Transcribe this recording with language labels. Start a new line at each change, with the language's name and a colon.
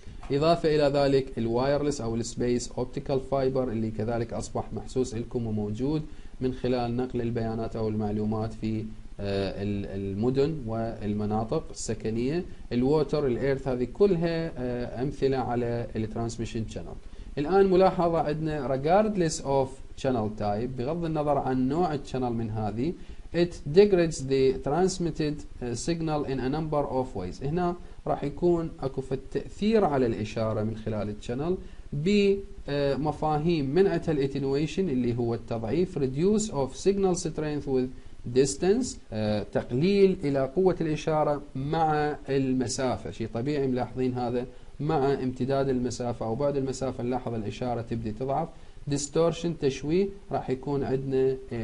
Arabic: إضافة إلى ذلك الوايرلس أو السبيس أوبتيكال فايبر اللي كذلك أصبح محسوس لكم وموجود من خلال نقل البيانات أو المعلومات في المدن والمناطق السكنية. الووتر الإيرث، هذه كلها أمثلة على الترانسميشن شانل. الآن ملاحظة عندنا
English: regardless of channel type،
Arabic: بغض النظر عن نوع الشانل من هذه،
English: it degrades the transmitted signal in a number of ways.
Arabic: هنا راح يكون أكو في التأثير على الإشارة من خلال الشانل بمفاهيم منعة الاتنويشن اللي هو التضعيف،
English: reduce of signal strength with distance،
Arabic: تقليل إلى قوة الإشارة مع المسافة، شيء طبيعي ملاحظين هذا مع امتداد المسافة أو بعد المسافة نلاحظ الإشارة تبدي تضعف، distortion تشويه، راح يكون عندنا